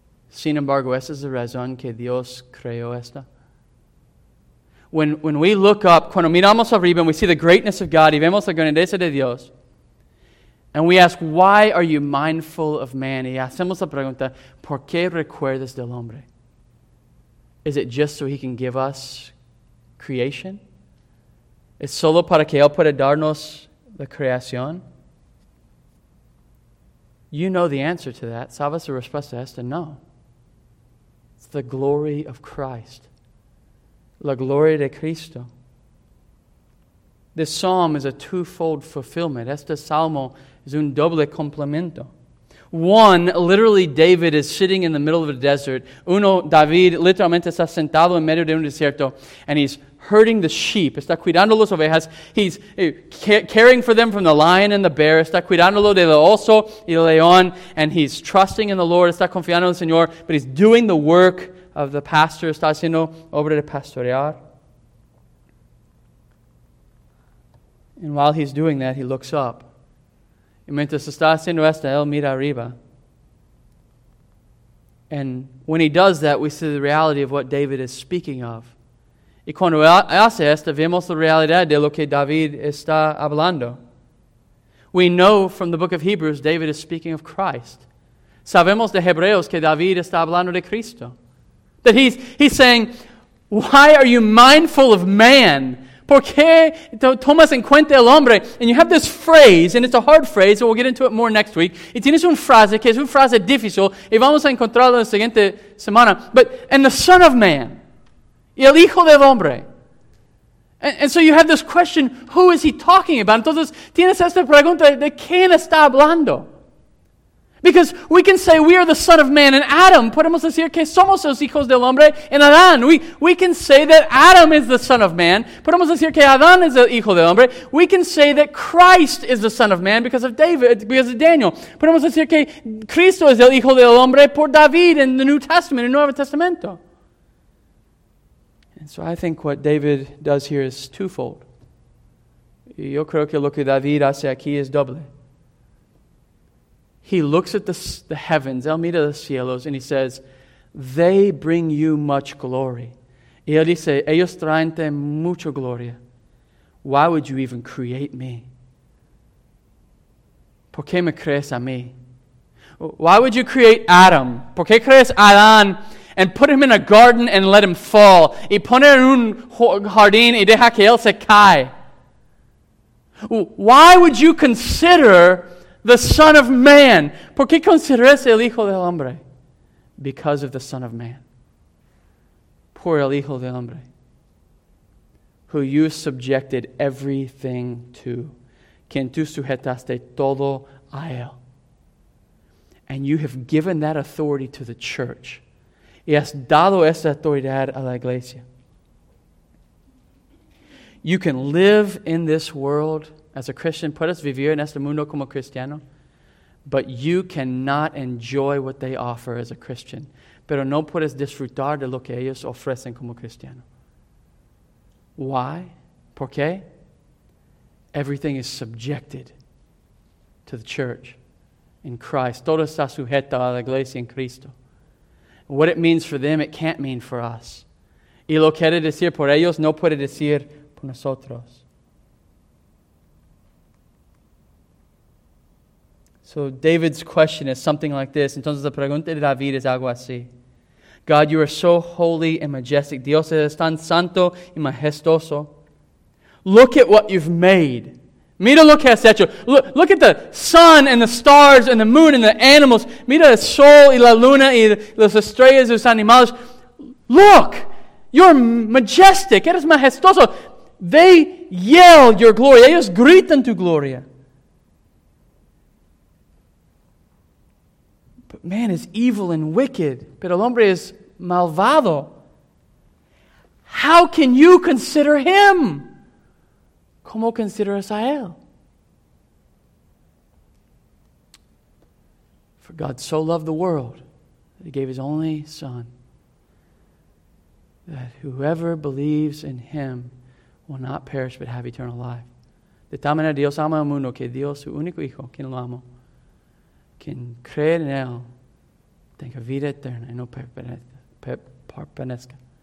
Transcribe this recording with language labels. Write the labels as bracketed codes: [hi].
[es] Sin embargo, ¿esa es la razón que Dios creó esta? [en] When we look up, [es] cuando miramos arriba, [en] and we see the greatness of God, [es] y vemos la grandeza de Dios, [en] and we ask, why are you mindful of man? [es] Y hacemos la pregunta, ¿por qué recuerdas del hombre? [en] Is it just so he can give us creation? [es] ¿Es solo para que él pueda darnos la creación? [en] You know the answer to that. [es] ¿Sabes la respuesta a esto? [en] No. It's the glory of Christ. [es] La gloria de Cristo. [en] This psalm is a twofold fulfillment. [es] Este salmo es un doble complemento. [en] One, literally David is sitting in the middle of a desert. [es] Uno, David literalmente está sentado en medio de un desierto [en] and he's herding the sheep. [es] Está cuidando las ovejas. [en] He's caring for them from the lion and the bear. [es] Está cuidándolo de lo oso y el león. [en] And he's trusting in the Lord. [es] Está confiando en el Señor. [en] But he's doing the work of the pastor, [es] está haciendo obra de pastorear. [en] And while he's doing that, he looks up. [es] Y mientras está haciendo esto, él mira arriba. [en] And when he does that, we see the reality of what David is speaking of. [es] Y cuando hace esto, vemos la realidad de lo que David está hablando. [en] We know from the book of Hebrews, David is speaking of Christ. [es] Sabemos de Hebreos que David está hablando de Cristo. [en] That he's saying, why are you mindful of man? [es] ¿Por qué tomas en cuenta el hombre? [en] And you have this phrase, and it's a hard phrase, and we'll get into it more next week. [es] Y tienes una frase que es una frase difícil, y vamos a encontrarlo en la siguiente semana. [en] But, and the son of man, [es] y el hijo del hombre. [en] And so you have this question, who is he talking about? [es] Entonces, tienes esta pregunta, ¿de quién está hablando? [en] Because we can say we are the son of man, and Adam, [es] podemos decir que somos los hijos del hombre, [en] and Adán, we can say that Adam is the son of man, [es] podemos decir que Adán es el hijo del hombre, [en] we can say that Christ is the son of man because of Daniel, [es] podemos decir que Cristo es el hijo del hombre por David [en] in the New Testament, in Nuevo Testamento. And so I think what David does here is twofold. [es] Yo creo que lo que David hace aquí es doble. [en] He looks at the heavens, [es] él mira los cielos, [en] and he says, they bring you much glory. [es] Y él dice, ellos traen te mucha gloria. [en] Why would you even create me? [es] ¿Por qué me crees a mí? [en] Why would you create Adam? [es] ¿Por qué crees a Adán? [en] And put him in a garden and let him fall. [es] Y poner en un jardín y deja que él se cae. [en] Why would you consider the son of man? [es] ¿Por qué consideras el hijo del hombre? [en] Because of the son of man. [es] Poor el hijo del hombre. [en] Who you subjected everything to. [es] Quien tú sujetaste todo a él. [en] And you have given that authority to the church. [es] Y has dado esa autoridad a la iglesia. [en] You can live in this world as a Christian, [es] puedes vivir en este mundo como cristiano, [en] but you cannot enjoy what they offer as a Christian. [es] Pero no puedes disfrutar de lo que ellos ofrecen como cristiano. [en] Why? [es] ¿Por qué? [en] Everything is subjected to the church in Christ. [es] Todo está sujeto a la iglesia en Cristo. [en] What it means for them, it can't mean for us. [es] Y lo quiere decir por ellos, no puede decir por nosotros. [en] So David's question is something like this. [es] Entonces la pregunta de David es algo así. [en] God, you are so holy and majestic. [es] Dios es tan santo y majestuoso. [en] Look at what you've made. [es] Mira lo que has hecho. [en] Look at the sun and the stars and the moon and the animals. [es] Mira el sol y la luna y las estrellas y los animales. [en] Look, you're majestic. [es] Eres majestuoso. [en] They yell your glory. [es] Ellos gritan tu gloria. [en] But man is evil and wicked. [es] Pero el hombre es malvado. [en] How can you consider him? [es] ¿Cómo consideras a él? [en] For God so loved the world that he gave his only son, that whoever believes in him will not perish but have eternal life. [es] De tal manera Dios ama al mundo que dio su único hijo, quien lo amo, quien cree en él, tenga vida eterna y no permanezca.